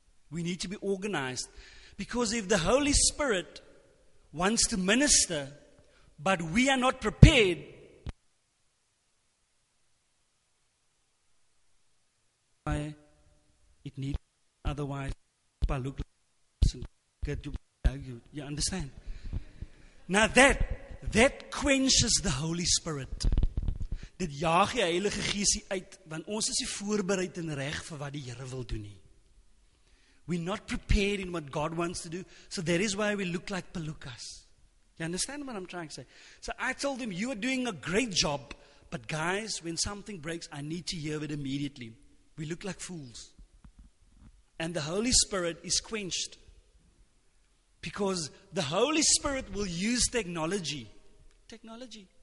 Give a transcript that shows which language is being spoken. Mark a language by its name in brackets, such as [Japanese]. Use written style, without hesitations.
[English] We need to be organized. Because if the Holy Spirit wants to minister, but we are not prepared, it needs, otherwise, if I look like you understand? Now that quenches the Holy Spirit. [Afrikaans] Dit jaag die Heilige Gees uit, want ons is nie voorbereid en reg vir wat die Here wil doen nie. [English] We're not prepared in what God wants to do, so that is why we look like palookas. You understand what I'm trying to say? So I told them, you are doing a great job, but guys, when something breaks, I need to hear it immediately. We look like fools. And the Holy Spirit is quenched. Because the Holy Spirit will use technology. Technology.